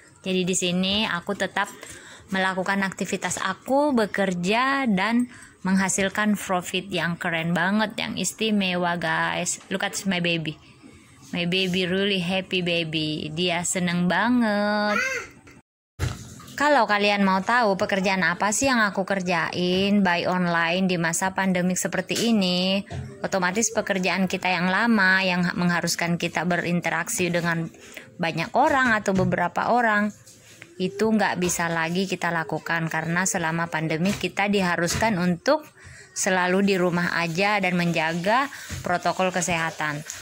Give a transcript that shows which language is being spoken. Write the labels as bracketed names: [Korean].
[Indonesian] Jadi di sini aku tetap melakukan aktivitas aku, bekerja dan menghasilkan profit yang keren banget, yang istimewa guys. [English] Look at my baby. My baby really happy baby. [Indonesian] Dia seneng banget. Kalau kalian mau tahu pekerjaan apa sih yang aku kerjain [English] by online [Indonesian] di masa pandemik seperti ini, otomatis pekerjaan kita yang lama yang mengharuskan kita berinteraksi dengan banyak orang atau beberapa orang itu nggak bisa lagi kita lakukan, karena selama pandemik kita diharuskan untuk selalu di rumah aja dan menjaga protokol kesehatan.